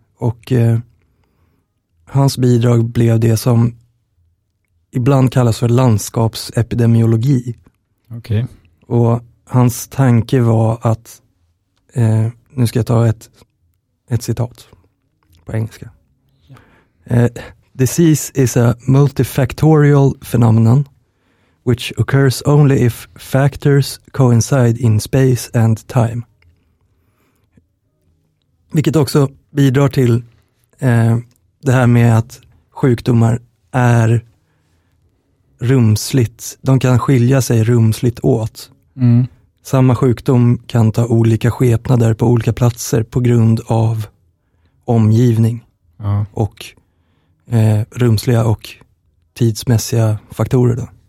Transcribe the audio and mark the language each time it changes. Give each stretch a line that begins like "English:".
Swedish: Och hans bidrag blev det som ibland kallas för landskapsepidemiologi. Okay. Och hans tanke var att, nu ska jag ta ett citat på engelska.
English: Disease is a multifactorial phenomenon which occurs only if factors coincide in space and time.
Swedish: Vilket också bidrar till det här med att sjukdomar är rumsligt. De kan skilja sig rumsligt åt. Mm. Samma sjukdom kan ta olika skepnader på olika platser på grund av omgivning och rumsliga och tidsmässiga faktorer då.